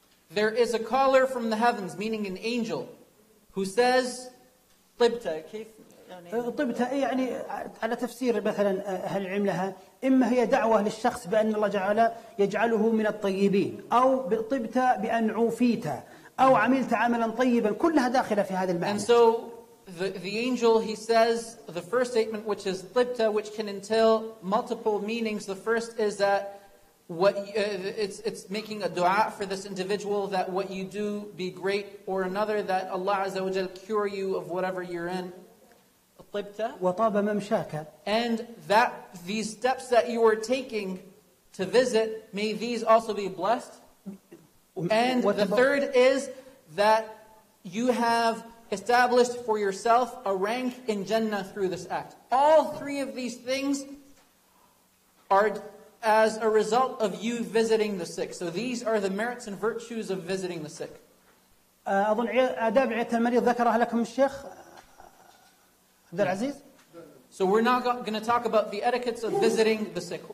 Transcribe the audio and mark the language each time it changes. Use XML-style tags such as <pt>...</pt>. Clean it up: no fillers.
<en>there is a caller from the heavens, meaning an angel, who says,</en> <ar>طبتة كيف يعني طبتة يعني على تفسير مثلا هل علمها إما هي دعوة للشخص بأن الله جعل يجعله من الطيبين أو طبتة بأن عوفيتا أو عملت عملا طيبا كلها داخلة في هذا المعنى.</ar> <en>And so the angel, he says the first statement, which is طبتة, which can entail multiple meanings. The first is that what it's making a dua for this individual that what you do be great, or another that Allah</en> <ar>Azza wa Jal</ar> <en>cure you of whatever you're in.</en> <ar>طبته وطاب ممشاك.</ar> <en>And that these steps that you were taking to visit, may these also be blessed. And the third is that you have established for yourself a rank in Jannah through this act. All three of these things are as a result of you visiting the sick. So these are the merits and virtues of visiting the sick.</en> <ar>أظن آداب عيادة المريض ذكرها لكم الشيخ عبد العزيز.</ar> <en>So we're not going to talk about the etiquettes of visiting the sick.</en>